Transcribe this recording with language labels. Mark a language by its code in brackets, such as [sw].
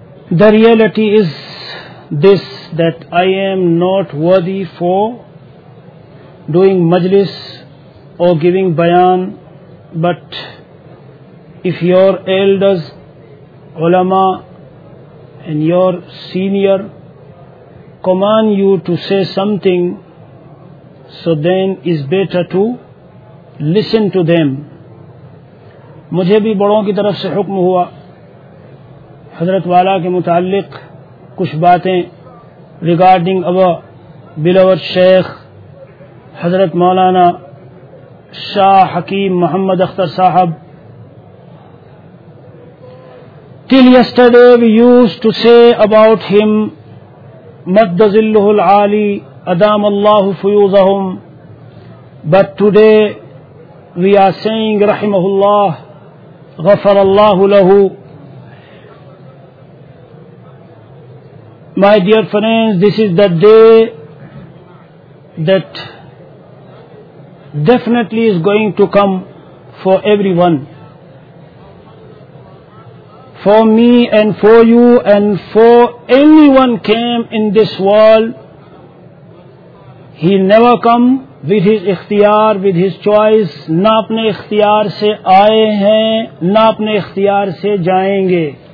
[en] the reality is this, that I am not worthy for doing majlis or giving bayan, but if your elders, ulama, and your senior command you to say something, so then is better to listen to them. [ur] مجھے بھی بڑوں کی طرف سے حکم ہوا حضرت والا کے متعلق کچھ باتیں [en] regarding our beloved [ur] شیخ حضرت مولانا شاہ حکیم محمد اختر صاحب. [en] Till yesterday we used to say about him [ar] مد ظله العالی ادام الله فیوزهم، [en] but today we are saying [ar] رحمه الله غفر الله له. [en] My dear friends, this is the day that definitely is going to come for everyone, for me and for you and for anyone came in this world. He never come with his اختیار, with his choice. [ur] نہ اپنے اختیار سے آئے ہیں نہ اپنے اختیار سے جائیں گے.